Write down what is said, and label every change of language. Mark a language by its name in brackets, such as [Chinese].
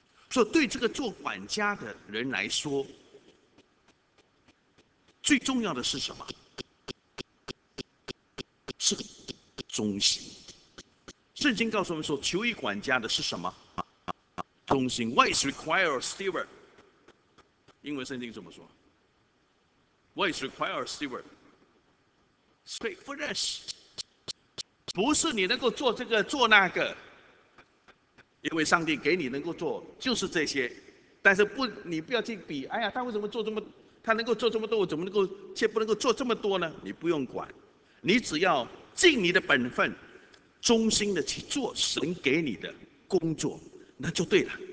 [Chinese] 所以对这个做管家的人来说，最重要的是什么？是忠心。圣经告诉我们说，求一管家的是什么？忠心。 [English] What is required of steward? [Chinese] 英文圣经怎么说？ [English] What is required of steward? Faithfulness。 [Chinese] 不是你能够做这个做那个，因为上帝给你能够做就是这些，但是不，你不要去比，哎呀，他为什么做这么，他能够做这么多，我怎么能够却不能够做这么多呢？你不用管，你只要尽你的本分，忠心的去做神给你的工作，那就对了。